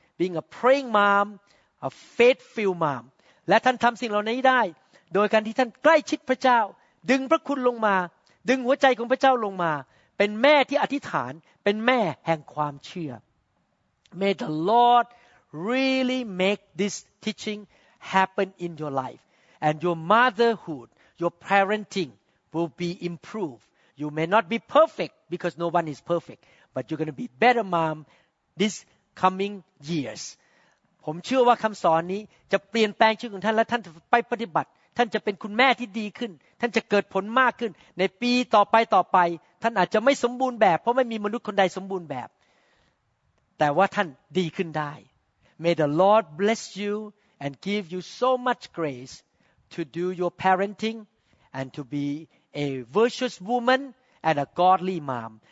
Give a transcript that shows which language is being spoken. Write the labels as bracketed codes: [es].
[en] Being a praying mom, a faithful mom. [th] และท่านทำสิ่งเหล่านี้ได้โดยการที่ท่านใกล้ชิดพระเจ้าดึงพระคุณลงมาดึงหัวใจของพระเจ้าลงมาเป็นแม่ที่อธิษฐานเป็นแม่แห่งความเชื่อ [en] May the Lord really make this teaching happen in your life. And your motherhood, your parenting will be improved. You may not be perfect because no one is perfect, but you're going to be better mom this coming years. [th] ผมเชื่อว่าคำสอนนี้จะเปลี่ยนแปลงชีวิตของท่านและท่านจะไปปฏิบัติท่านจะเป็นคุณแม่ที่ดีขึ้นท่านจะเกิดผลมากขึ้นในปีต่อไปท่านอาจจะไม่สมบูรณ์แบบเพราะไม่มีมนุษย์คนใดสมบูรณ์แบบแต่ว่าท่านดีขึ้นได้ [en] May the Lord bless you and give you so much grace to do your parenting and to beA virtuous woman and a godly mom.